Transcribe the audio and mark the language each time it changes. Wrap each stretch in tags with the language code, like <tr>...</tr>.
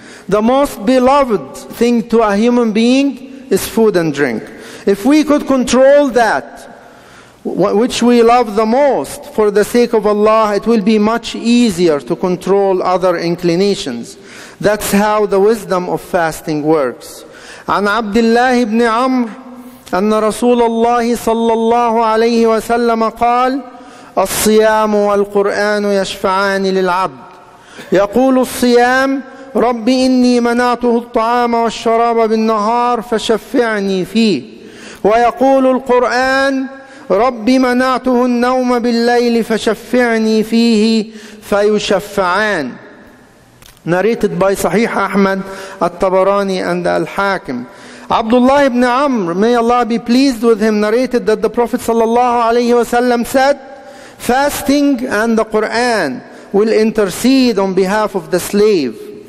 <en>The most beloved thing to a human being is food and drink. If we could control that, which we love the most, for the sake of Allah, it will be much easier to control other inclinations. That's how the wisdom of fasting works.</en> <ar>عن عبد الله بن عمر أن رسول الله صلى الله عليه وسلم قال الصيام والقرآن يشفعان للعبد. يقول الصيام رب إني منعته الطعام والشراب بالنهار فشفعني فيه. ويقول القرآن رب منعته النوم بالليل فشفعني فيه فيشفعان.</ar> <en>Narrated by Sahih Ahmad, At-Tabarani, and Al-Hakim. Abdullah ibn Amr, may Allah be pleased with him, narrated that the Prophet sallallahu alayhi wa sallam said, fasting and the Quran will intercede on behalf of the slave.</en>